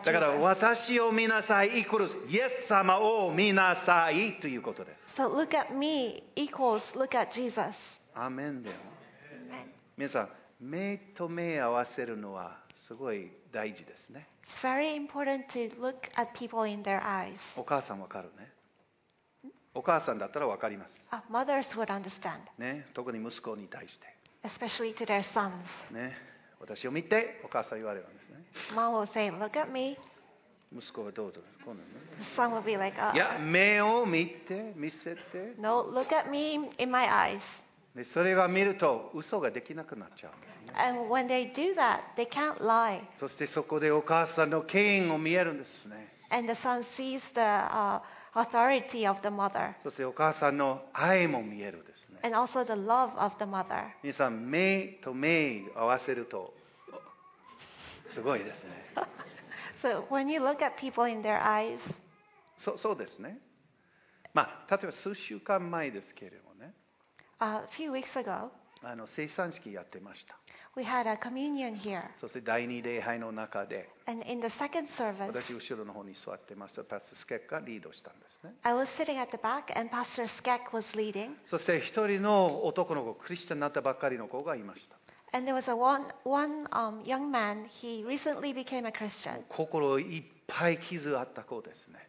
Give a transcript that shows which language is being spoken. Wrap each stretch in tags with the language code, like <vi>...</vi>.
<ja>Jesus. だから私を見なさいイコールイエス様を見なさいということです。</ja> <en>So look at me equals look at Jesus.</en> <ja>アーメンだよ。皆さん、目と目合わせるのはすごい大事ですね。</ja> <en>It's very important to look at people in their eyes.</en> <ja>お母さんわかるね。お母さんだったらわかります。</ja> <en>Mothers would understand.</en> <ja>ね、特に息子に対して。</ja> <en>Especially to their sons.</en> <ja>ね、私を見て、お母さん言われるんですね。</ja> <en>Mom will say, "Look at me."</en> <ja>息子はどうとる？こうなの。</ja> <en>The son will be like,</en> <ja>"Oh." いや、目を見て、見せて。</ja> <en>No, look at me in my eyes.</en> <ja>で、それが見ると嘘ができなくなっちゃう。</ja> <en>And when they do that, they can't lie.</en> <ja>そしてそこでお母さんの権威を見えるんですね。</ja> <en>And the son sees the authority of the mother.</en> <ja>そしてお母さんの愛も見えるですね。</ja> <en>And also the love of the mother.</en> <ja>皆さん、目と目を合わせるとすごいですね。</ja> <en>So when you look at people in their eyes.</en> <ja>そうですね。まあ、例えば数週間前ですけれどもね。</ja> <en>A few weeks ago.</en> <ja>生産式やってました。</ja> <en>We had a communion here.</en> <ja>そして第二礼拝の中で、</ja> <en>And in the second service,</en> <ja>私後ろの方に座ってました。パスタースケックがリードしたんですね。</ja> <en>I was sitting at the back, and Pastor Skek was leading.</en> <ja>そして一人の男の子、クリスチャンになったばっかりの子がいました。</ja> <en>And there was one young man. He recently became a Christian.</en> <ja>心いっぱい傷あった子ですね。</ja>